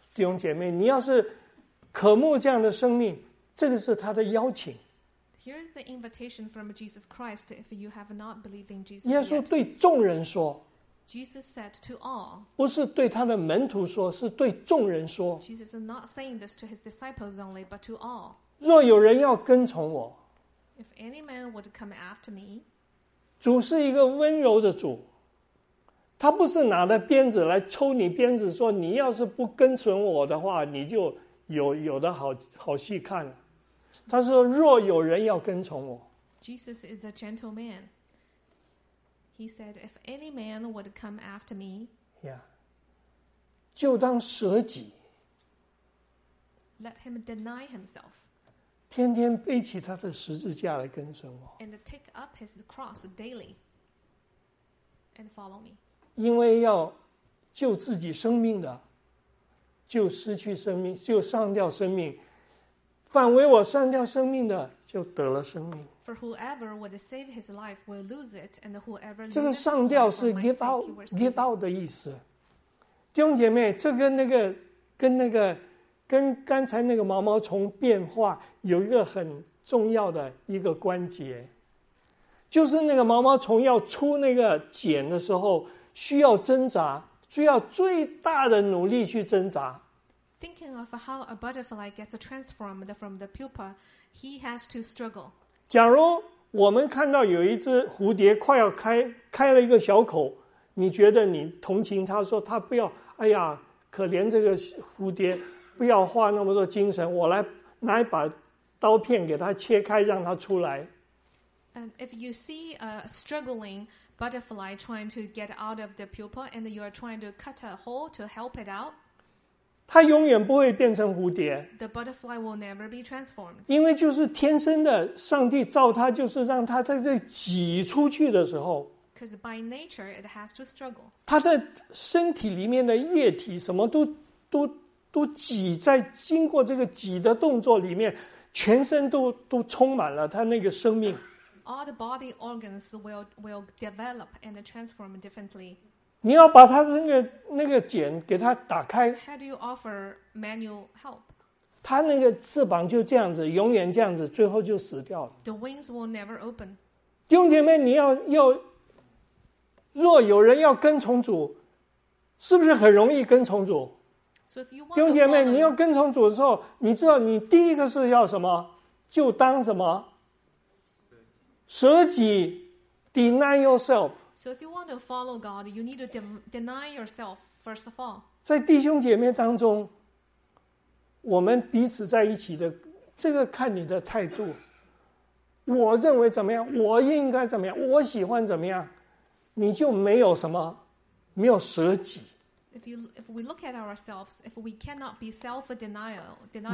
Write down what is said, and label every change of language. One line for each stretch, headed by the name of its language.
Chinese: 弟兄姐妹，你要是渴慕这样的生命，这个是他的邀请。
English: Here is the invitation from Jesus Christ. If you have not believed in Jesus,
Chinese: 耶稣对众人说
English: ，Jesus said to all，
Chinese: 不是对他的门徒说，是对众人说。
English: Jesus is not saying this to his disciples only, but to all.
Chinese: 若有人要跟从我
English: ，If any man would come after me，
Chinese: 主是一个温柔的主。他不是拿着鞭子来抽你鞭子说你要是不跟从我的话你就有的好戏看了。他说若有人要跟从我。
English: Jesus is a gentleman. He said, if any man would come after me,
Chinese: yeah, 就当舍己。
English: Let him deny himself.
Chinese: 天天背起他的十字架来跟随我。
English: And take up his cross daily and follow me.
Chinese: 因为要救自己生命的，就失去生命，就丧掉生命；反为我丧掉生命的，就得了生命。
English: For whoever would save his life will lose it, and whoever
Chinese: 这个丧掉是
English: give out
Chinese: 的意思。弟兄姐妹，这跟那个跟刚才那个毛毛虫变化有一个很重要的一个关节，就是那个毛毛虫要出那个茧的时候。需要挣扎，需要最大的努力去挣扎。
English: Thinking of how a butterfly gets transformed from the pupa, he has to struggle.
Chinese: 假如我们看到有一只蝴蝶快要开了一个小口，你觉得你同情他说他不要，哎呀，可怜这个蝴蝶，不要花那么多精神，我来拿一把刀片给他切开，让他出来。
English: If you see a struggling butterfly trying to get out of the pupa and you are trying to cut a hole to help it out,
Chinese: 它永远不会变成蝴蝶。
English: The butterfly will never be transformed.
Chinese: 因为就是天生的，上帝造它就是让它在这挤出去的时候。
English: Because by nature, it has to struggle.
Chinese: 它的身体里面的液体什么都挤在经过这个挤的动作里面，全身都充满了它那个生命。
English: All the body organs will develop and transform differently.
Chinese: 你要把它那个茧给它打开。
English: How do you offer manual help?
Chinese: 它那个翅膀就这样子，永远这样子，最后就死掉了。
English: The wings will never open.
Chinese: 弟兄姐妹，你要若有人要跟从主，是不是很容易跟从主？
English: So if you want
Chinese: 弟兄姐妹，你要跟从主的时候，你知道你第一个是要什么，就当什么。
English: 舍己 ，deny yourself. So if you want to follow God, you need to deny yourself first of all.
Chinese: 在弟兄姐妹当中，我们彼此在一起的，这个看你的态度。我认为怎么样，我应该怎么样，我喜欢怎么样，你就没有什么，没有舍己。
English: If we look at ourselves, if we cannot be self-denial,